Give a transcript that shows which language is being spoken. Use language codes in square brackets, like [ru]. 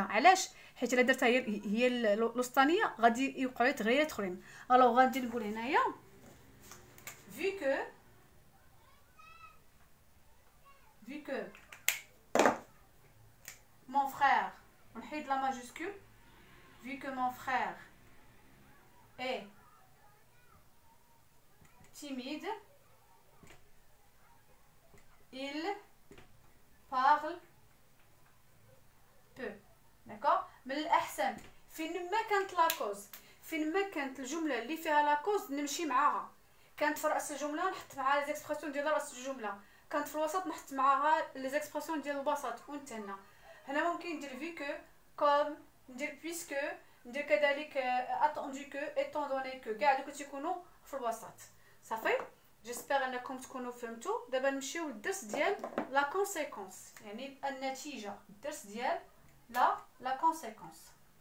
[ar] علاش؟ حيت الا درتها هي الوسطانيه غادي يوقعوا لي تغييرات اخرين. الوغ غادي نقول هنايا في كو مون فرير ونحيد لا ما [fr] majuscule, vu que mon frère est timide, il parle peu. [ar] D'accord? Mais l'ahsan, fin ma kant la cause. فين ما كانت الجمله اللي فيها لا كوز نمشي معاها كانت في راس الجمله نحط معاها لي زيكسبرسيون ديال راس الجمله كانت في الوسط نحط معاها لي زيكسبرسيون ديال البساط وانتهينا هنا ممكن ندير في كو كوم ندير بويسك ندير كذلك اتوندو كو ايتون دوني كو كاع دوك تيكونوا في الوسط صافي جيسبر انكم تكونوا فهمتوا دابا نمشيو للدرس ديال لا كونسيكونس يعني النتيجه الدرس ديال لا كونسيكونس